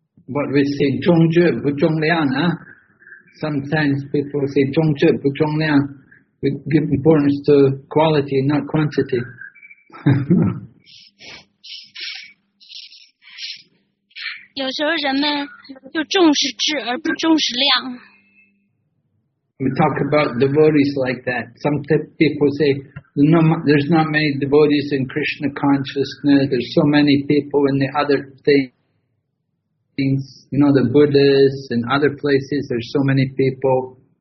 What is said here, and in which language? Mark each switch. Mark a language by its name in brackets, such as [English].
[English] What we say, [Chinese] 重质不重量啊。 [English] Sometimes people say, [Chinese] 重质不重量。 [English] We give importance to quality, not quantity. [Chinese] 有时候人们就重视质而不重视量。 [English] We talk about devotees like that. Sometimes people say, there's not many devotees in Krishna consciousness. There's so many people in the other things. You know, the Buddhists and other places, there's so many people.